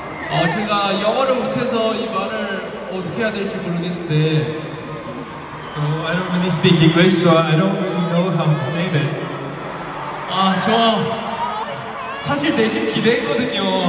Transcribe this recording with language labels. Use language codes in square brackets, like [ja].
[ko] 아 제가 영어를 못해서 이 말을 어떻게 해야 될지 모르겠는데. [en] So I don't really speak English, so I don't really know how to say this. [ko] 아 저 사실 내심 기대했거든요.